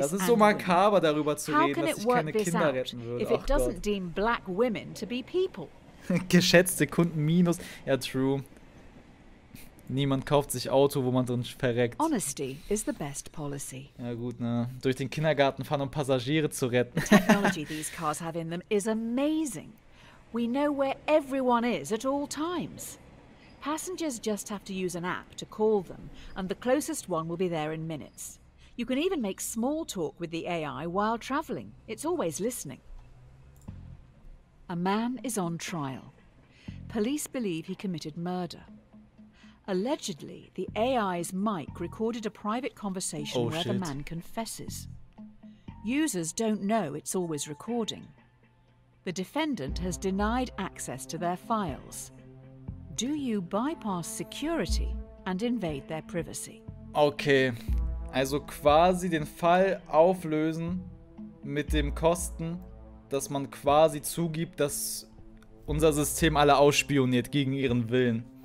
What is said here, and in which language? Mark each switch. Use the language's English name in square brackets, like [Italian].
[German] Das ist so makaber, darüber zu reden, dass ich keine Kinder retten würde. [English] If it doesn't deem black women to be people. [German] Geschätzte Kunden minus. Ja, true. Niemand kauft sich Auto, wo man drin verreckt. [English] Honesty is the best policy. [German] Ja gut, ne? Durch den Kindergarten fahren, um Passagiere zu retten. [English] Technology these cars have in them is amazing. We know where everyone is at all times. Passengers just have to use an app to call them, and the closest one will be there in minutes. You can even make small talk with the AI while traveling. It's always listening. A man is on trial. Police believe he committed murder. Allegedly, the AI's mic recorded a private conversation where the man confesses. Users don't know it's always recording. The defendant has denied access to their files. Do you bypass security and invade their privacy? [German] Okay, also quasi den Fall auflösen mit dem Kosten, dass man quasi zugibt, dass unser System alle ausspioniert gegen ihren Willen.